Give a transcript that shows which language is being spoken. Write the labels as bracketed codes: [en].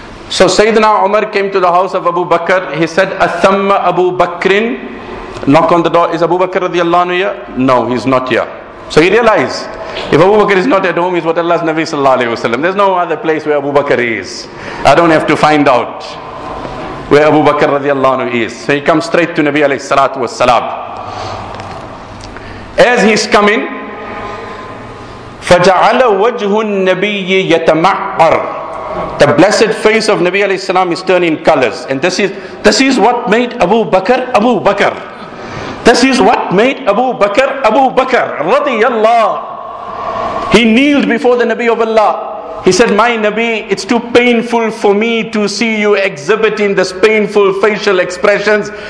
[en] So Sayyidina Umar came to the house of Abu Bakr. He said, [ar] "Athamma Abu Bakrin?" [en] Knock on the door. "Is Abu Bakr radiallahu anhu here?" "No, he's not here." So he realized, if Abu Bakr is not at home, he's what Allah's Nabi sallallahu alayhi wasallam. There's no other place where Abu Bakr is. I don't have to find out where Abu Bakr radiallahu anhu is. So he comes straight to Nabi alayhi salatu wasalam. As he's coming, [ar] فَجَعَلَ وَجْهُ النَّبِيِّ يَتَمَعَّرُ. [en] The blessed face of Nabi alayhi salam is turning colors. And this is what made Abu Bakr, Abu Bakr. This is what made Abu Bakr, Abu Bakr radiyallahu. He kneeled before the Nabi of Allah. He said, "My Nabi, it's too painful for me to see you exhibiting this painful facial expressions.